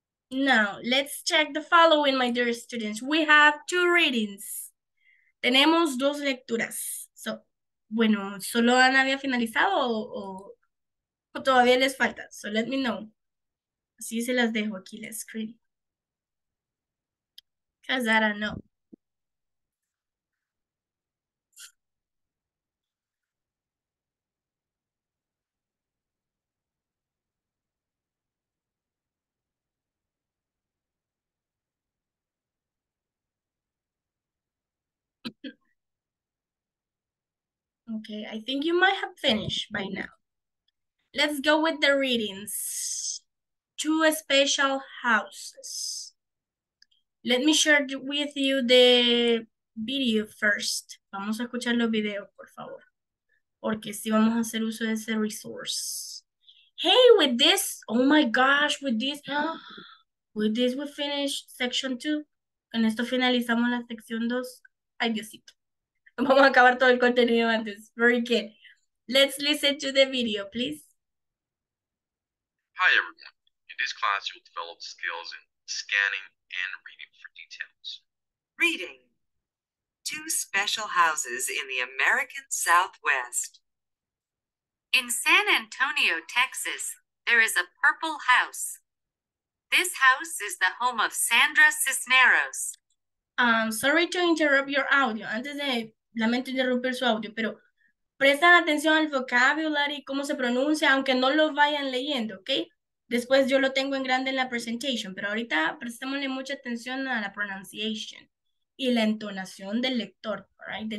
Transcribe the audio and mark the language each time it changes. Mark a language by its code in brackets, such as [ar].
[en] Now, let's check the following, my dear students. We have two readings. [es] Tenemos dos lecturas. So, bueno, ¿solo han había finalizado o todavía les falta? [en] So, let me know. [es] Así se las dejo aquí, la screen. [en] Because I don't know. Okay, I think you might have finished by now. Let's go with the readings. Two special houses. Let me share with you the video first. [es] Vamos a escuchar los videos, por favor. Porque sí vamos a hacer uso de ese resource. [en] Hey, with this, oh my gosh, with this we finished section 2. [es] Con esto finalizamos la sección 2. Ay, Diosito. Vamos a acabar todo el contenido antes. [en] Very good. Let's listen to the video, please. Hi, everyone. In this class, you'll develop skills in scanning and reading for details. Reading. Two special houses in the American Southwest. In San Antonio, Texas, there is a purple house. This house is the home of Sandra Cisneros. Sorry to interrupt your audio. [es] Antes de... Lamento interrumpir su audio, pero presten atención al vocabulary, cómo se pronuncia, aunque no lo vayan leyendo, ¿ok? Después yo lo tengo en grande en la presentation, pero ahorita prestémosle mucha atención a la pronunciation y la entonación del lector, right?